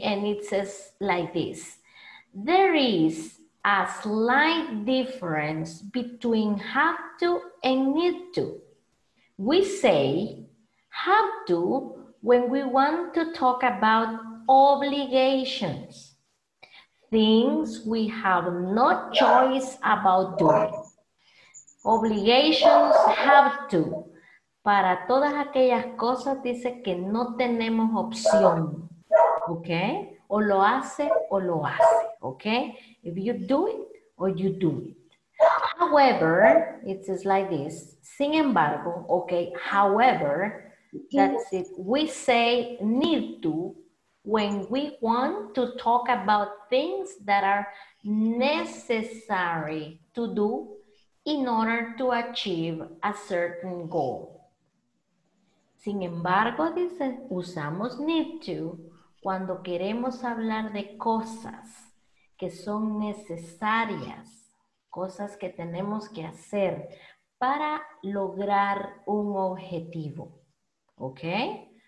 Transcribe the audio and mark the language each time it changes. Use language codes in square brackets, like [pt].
[en] And it says like this. There is a slight difference between have to and need to. We say have to when we want to talk about obligations, things we have no choice about doing. Obligations have to. [es] Para todas aquellas cosas dice que no tenemos opción. Okay? O lo hace o lo hace. Okay? [en] If you do it or you do it. However, it's like this. [es] Sin embargo, [en] okay, however, that's it. We say need to when we want to talk about things that are necessary to do in order to achieve a certain goal. [es] Sin embargo, dice, usamos need to cuando queremos hablar de cosas que son necesarias, cosas que tenemos que hacer para lograr un objetivo. Okay?